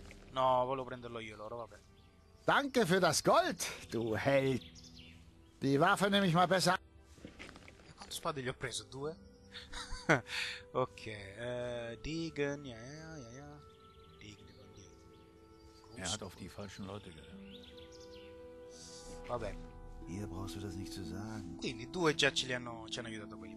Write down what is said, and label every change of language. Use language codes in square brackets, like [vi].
[it] No, volevo prenderlo io, loro, vabbè. [de] Danke für das Gold, du Held! Die Waffe nehme ich mal besser. [it] Quante spade gli ho preso? Due? [de] Ok, Degen, ja, ja, ja, ja. Degen, die Banditi. Er hat auf die falschen Leute gehört. [it] Vabbè. [de] Hier brauchst du das nicht zu sagen. [it] Quindi due già ci hanno aiutato quelli.